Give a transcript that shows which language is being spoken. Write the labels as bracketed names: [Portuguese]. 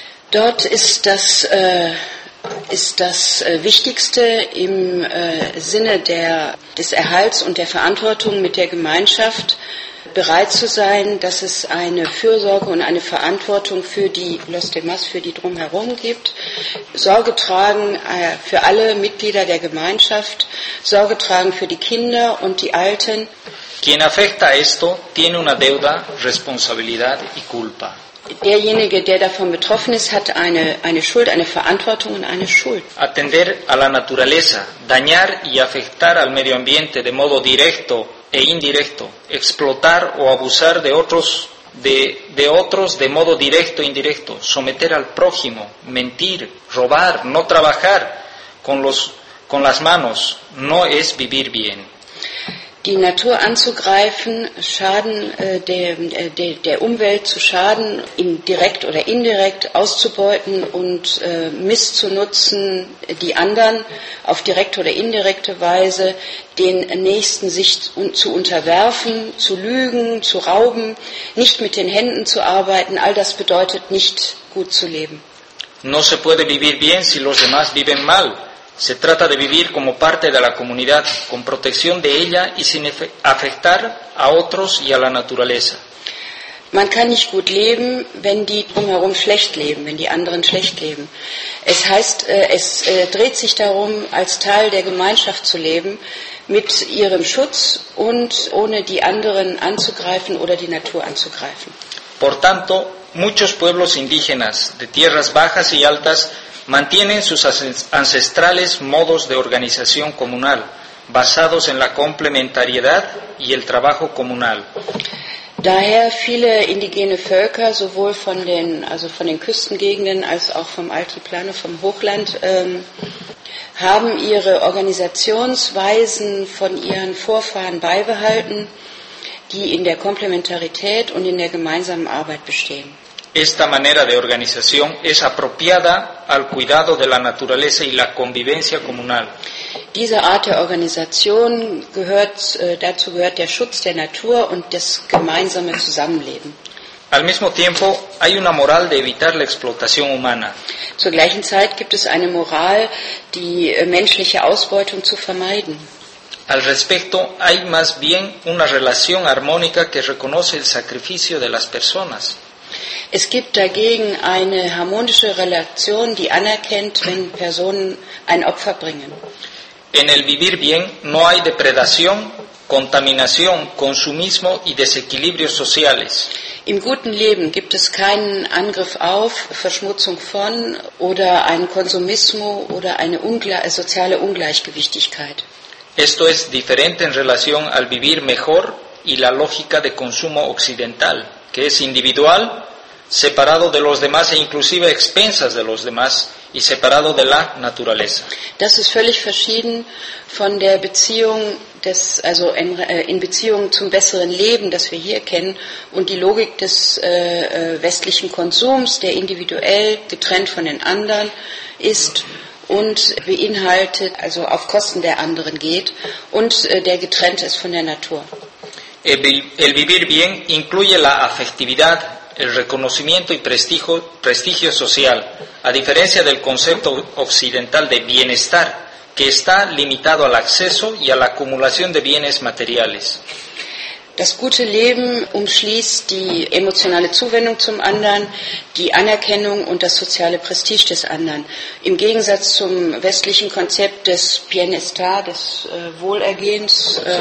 [German] Dort ist das Wichtigste im Sinne des Erhalts und der Verantwortung mit der Gemeinschaft, bereit zu sein, dass es eine Fürsorge und eine Verantwortung für die [Spanish] Los Demás, [German] für die drumherum gibt. Sorge tragen für alle Mitglieder der Gemeinschaft, Sorge tragen für die Kinder und die Alten. [Spanish] Quien afecta esto tiene una deuda, responsabilidad y culpa. [German] Derjenige, der davon betroffen ist, hat eine Schuld, eine Verantwortung und eine Schuld. [Spanish] Atender a la naturaleza, dañar y afectar al medio ambiente de modo directo e indirecto, explotar o abusar de otros de modo directo e indirecto, someter al prójimo, mentir, robar, no trabajar con las manos, no es vivir bien. [German] Die Natur anzugreifen, Schaden der Umwelt zu schaden, direkt oder indirekt auszubeuten und misszunutzen, die anderen auf direkte oder indirekte Weise, den Nächsten sich zu unterwerfen, zu lügen, zu rauben, nicht mit den Händen zu arbeiten, all das bedeutet nicht gut zu leben. [Spanish] No se puede vivir bien si los demás viven mal. Se trata de vivir como parte de la comunidad, con protección de ella y sin afectar a otros y a la naturaleza. [German] Man kann nicht gut leben, wenn die drumherum schlecht leben, wenn die anderen schlecht leben. Es heißt, es dreht sich darum, als Teil der Gemeinschaft zu leben, mit ihrem Schutz und ohne die anderen anzugreifen oder die Natur anzugreifen. [Spanish] Por tanto, muchos pueblos indígenas de tierras bajas y altas mantienen sus ancestrales modos de organización comunal, basados en la complementariedad y el trabajo comunal. [German] Daher viele indigene Völker, sowohl von den Küstengegenden als auch vom Altiplano, vom Hochland, haben ihre Organisationsweisen von ihren Vorfahren beibehalten, die in der Komplementarität und in der gemeinsamen Arbeit bestehen. [Spanish] Esta manera de organización es apropiada al cuidado de la naturaleza y la convivencia comunal. [German] Diese Art der Organisation gehört, dazu gehört der Schutz der Natur und das gemeinsame Zusammenleben. [Spanish] Al mismo tiempo hay una moral de evitar la explotación humana. [German] Zur gleichen Zeit gibt es eine Moral, die menschliche Ausbeutung zu vermeiden. [Spanish] Al respecto, hay más bien una relación armónica que reconoce el sacrificio de las personas. [German] Es gibt dagegen eine harmonische Relation, die anerkennt, wenn Personen ein Opfer bringen. [Spanish] En el vivir bien no hay depredación, contaminación, consumismo y desequilibrios sociales. [German] Im guten Leben gibt es keinen Angriff auf, Verschmutzung von oder einen Konsumismus oder eine soziale Ungleichgewichtigkeit. [Spanish] Esto es diferente en relación al vivir mejor y la lógica de consumo occidental, que es individual, separado de los demás e inclusive expensas de los demás y separado de la naturaleza. [German] Das ist völlig verschieden von der Beziehung des, also in Beziehung zum besseren Leben, das wir hier kennen, und die Logik des westlichen Konsums, der individuell getrennt von den anderen ist und beinhaltet, also auf Kosten der anderen geht und der getrennt ist von der Natur. [Spanish] El vivir bien incluye la afectividad, el reconocimiento y prestigio social, a diferencia del concepto occidental de bienestar, que está limitado al acceso y a la acumulación de bienes materiales. [German] Das gute Leben umschließt die emotionale Zuwendung zum anderen, die Anerkennung und das soziale Prestige des anderen. Im Gegensatz zum westlichen Konzept des Bienestar, des Wohlergehens,